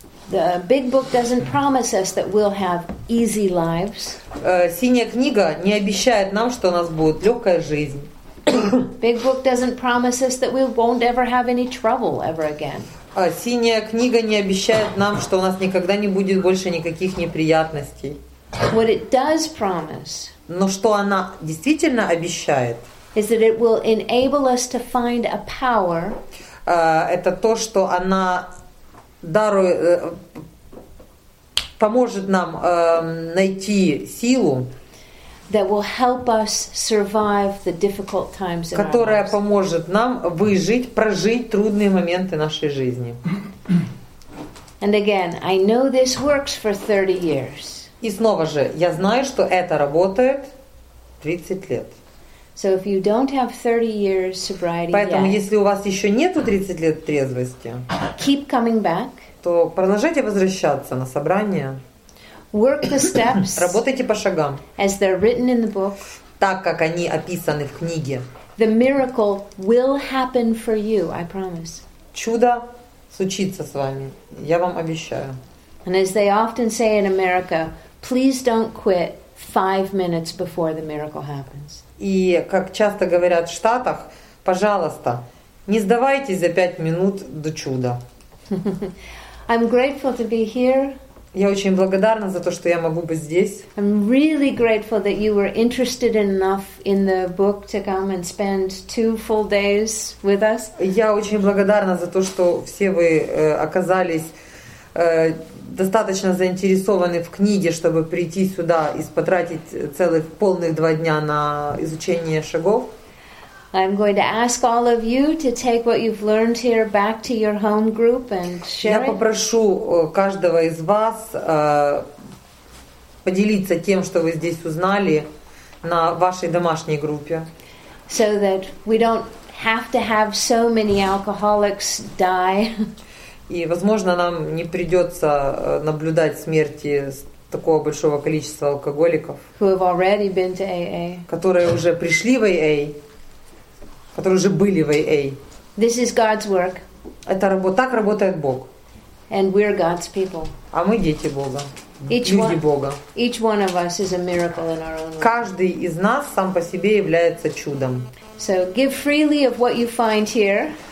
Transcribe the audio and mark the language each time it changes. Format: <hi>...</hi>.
<en>The big book doesn't promise us that we'll have easy lives.</en> <ru>Синяя книга не обещает нам, что у нас будет легкая жизнь.</ru> <en>Big book doesn't promise us that we won't ever have any trouble ever again.</en> <ru>Синяя книга не обещает нам, что у нас никогда не будет больше никаких неприятностей.</ru> <en>What it does promise.</en> <ru>Но что она действительно обещает?</ru> <en>Is that it will enable us to find a power.</en> <ru>Это то, что она дарует, поможет нам найти силу.</ru> <en>That will help us survive the difficult times in our</en> <ru>Которая поможет нам выжить, прожить трудные моменты нашей жизни.</ru> <en>And again, I know this works for 30 years.</en> <ru>И снова же, я знаю, что это работает 30 лет.</ru> <en>So if you don't have 30 years sobriety,</en> <ru>поэтому если у вас еще нету 30 лет трезвости,</ru> <en>keep coming back.</en> <ru>То продолжайте возвращаться на собрание.</ru> <en>Work the steps.</en> <ru>Работайте по шагам.</ru> <en>As they're written in the book.</en> <ru>Так как они описаны в книге.</ru> <en>The miracle will happen for you, I promise.</en> <ru>Чудо случится с вами, я вам обещаю.</ru> <en>And as they often say in America, please don't quit 5 minutes before the miracle happens.</en> <ru>И как часто говорят в Штатах, пожалуйста, не сдавайтесь за 5 минут до чуда.</ru> <en>I'm grateful to be here.</en> <ru>Я очень благодарна за то, что я могу быть здесь.</ru> <en>I'm really grateful that you were interested enough in the book to come and spend 2 full days with us.</en> <ru>Я очень благодарна за то, что все вы оказались достаточно заинтересованы в книге, чтобы прийти сюда и потратить целых полных 2 дня на изучение шагов.</ru> <en>I'm going to ask all of you to take what you've learned here back to your home group and share it.</en> <ru>Я попрошу каждого из вас поделиться тем, что вы здесь узнали на вашей домашней группе.</ru> <en>So that we don't have to have so many alcoholics die.</en> <ru>И, возможно, нам не придется наблюдать смерти такого большого количества алкоголиков,</ru> <en>who have already been to AA.</en> <ru>Которые уже пришли в AA, которые уже были в AA.</ru> <en>This is God's work.</en> <ru>Это работа, так работает Бог.</ru> <en>And we're God's people.</en> <ru>А мы дети Бога.</ru> <en>Each one of us is a miracle in our own life.</en> <ru>Каждый из нас сам по себе является чудом.</ru> <en>So give freely of what you find here.</en>